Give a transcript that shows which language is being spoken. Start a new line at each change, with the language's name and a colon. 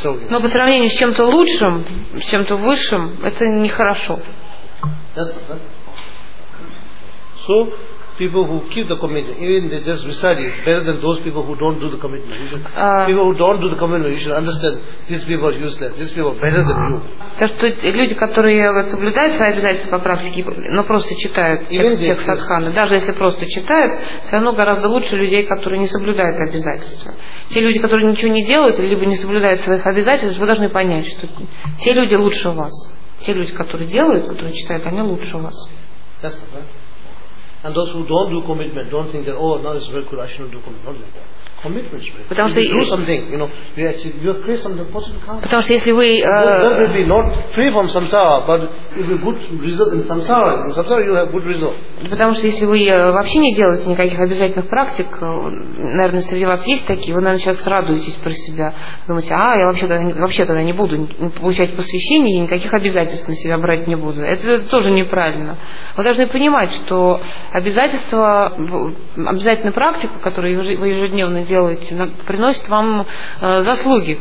Russian: Но по сравнению с чем-то лучшим, с чем-то высшим, это нехорошо.
English: So, people who keep the commitment, even they just recite it, it's better than those people who don't do the commitment. People who don't do the commitment, you should understand these people are useless. These people are better than you.
Russian: То что люди, которые соблюдают свои обязательства по практике, но просто читают текст садханы, даже если просто читают, все равно гораздо лучше людей, которые не соблюдают обязательства. Те люди, которые ничего не делают, либо не соблюдают своих обязательств, вы должны понять, что те люди лучше вас. Те люди, которые делают, которые читают, они лучше вас.
English: That's right. And those who don't do commitment, don't think that, oh, now it's very cool, I shouldn't do commitment. Not like that. commitments. Right?
Russian: Потому что
English: you do something, you know, you create something positive karma.
Russian: Потому что если вы
English: definitely not free from samsara, but if you good result in samsara you have good result.
Russian: Потому что если вы вообще не делаете никаких обязательных практик, наверное, среди вас есть такие, вы, наверное, сейчас радуетесь про себя, думаете, а я вообще-то не буду получать посвящение и никаких обязательств на себя брать не буду. Это тоже неправильно. Вы должны понимать, что обязательства, обязательная практика, которую вы ежедневно делаете, приносит вам заслуги.